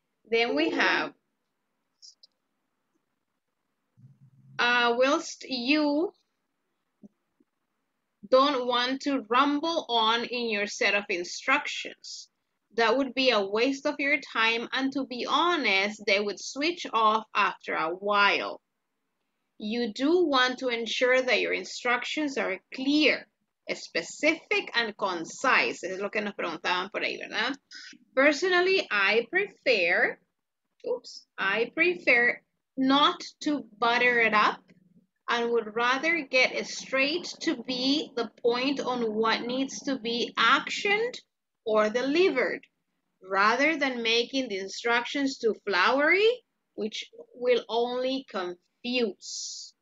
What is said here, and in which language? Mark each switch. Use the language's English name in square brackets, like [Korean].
[English] Then we have, whilst you don't want to rumble on in your set of instructions. That would be a waste of your time, and to be honest, they would switch off after a while. You do want to ensure that your instructions are clear, specific, and concise. [Spanish] Es lo que nos preguntaban por ahí, ¿verdad? [English] Personally, I prefer not to butter it up and would rather get straight to be the point on what needs to be actioned or delivered, rather than making the instructions too flowery, which will only confuse.